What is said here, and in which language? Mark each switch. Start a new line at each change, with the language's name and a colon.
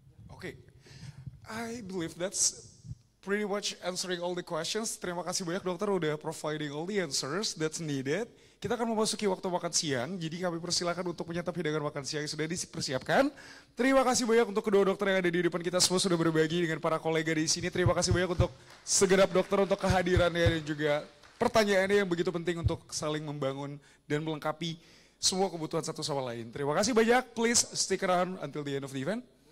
English: Oke, okay. I believe that's pretty much answering all the questions.
Indonesian: Terima kasih banyak dokter udah
English: providing all the answers that's needed.
Indonesian: Kita akan memasuki waktu makan siang, jadi kami persilakan untuk menyantap hidangan makan siang yang sudah dipersiapkan. Terima kasih banyak untuk kedua dokter yang ada di depan kita semua sudah berbagi dengan para kolega di sini. Terima kasih banyak untuk segenap dokter untuk kehadirannya dan juga pertanyaannya yang begitu penting untuk saling membangun dan melengkapi semua kebutuhan satu sama lain. Terima kasih banyak,
English: please stick around until the end of the event.